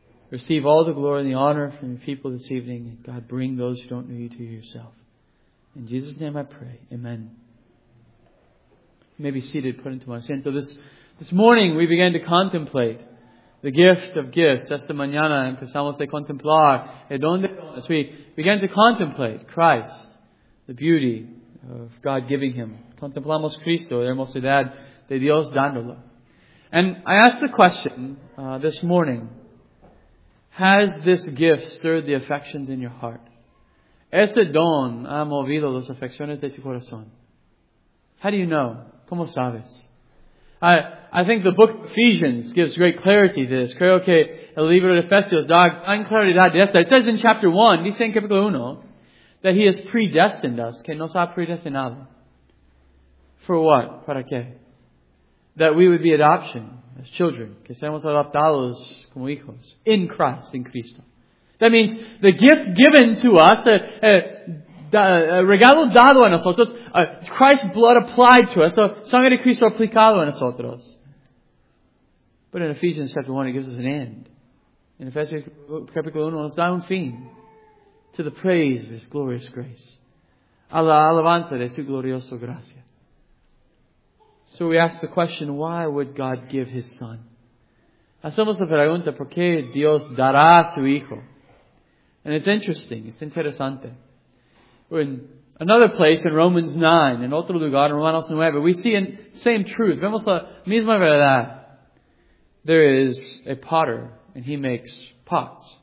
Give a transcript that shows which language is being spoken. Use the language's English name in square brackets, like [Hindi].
[English] Receive all the glory and the honor from your people this evening. God, bring those who don't know you to yourself. In Jesus' name I pray. Amen. You may be seated, put into my asiento. This morning we began to contemplate the gift of gifts. [Spanish] Esta mañana empezamos a contemplar el don de dones. [English] We began to contemplate Christ, the beauty of God giving Him. [Spanish] Contemplamos Cristo, la hermosidad de Dios dándolo. [English] And I asked the question this morning, has this gift stirred the affections in your heart? [Spanish] Este don ha movido las afecciones de tu corazón. [English] How do you know? [Spanish] ¿Cómo sabes? [English] I think the book of Ephesians gives great clarity to this. [Spanish] Creo que el libro de Efesios da gran claridad de esto. [English] It says in chapter 1, [Spanish] dice en capítulo 1, [English] that He has predestined us, [Spanish] que nos ha predestinado. [English] For what? [Spanish] ¿Para qué? [English] That we would be adoption as children. [Spanish] Que seamos adoptados como hijos. [English] In Christ, in Cristo. That means the gift given to us, [Spanish] regalo dado a nosotros, [English] Christ's blood applied to us, [Spanish] sangre de Cristo aplicado a nosotros. [English] But in Ephesians chapter 1, it gives us an end. In Ephesians chapter 1, it's [Spanish] da un fin. [English] To the praise of His glorious grace. [Spanish] A la alabanza de su glorioso gracia. [English] So we ask the question, why would God give His Son? [Spanish] Hacemos la pregunta, ¿por qué Dios dará a su Hijo? [English] And it's interesting, it's interesante. In another place in Romans 9, [Spanish] en otro lugar, en Romanos 9, [English] we see the same truth. [Spanish] Vemos la misma verdad. [English] There is a potter, and he makes pots.